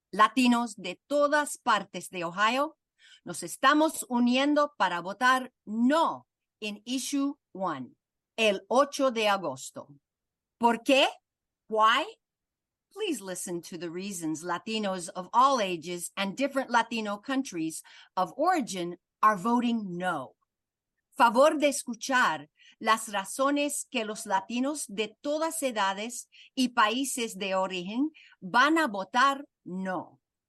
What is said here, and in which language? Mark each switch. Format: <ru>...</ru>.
<es>Latinos de todas partes de Ohio, nos estamos uniendo para votar no en issue 1, el 8 de agosto. ¿Por qué? Why?</es> <en>Please listen to the reasons Latinos of all ages and different Latino countries of origin are voting no.</en> <es>Favor de escuchar las razones que los Latinos de todas edades y países de origen van a votar no.</es>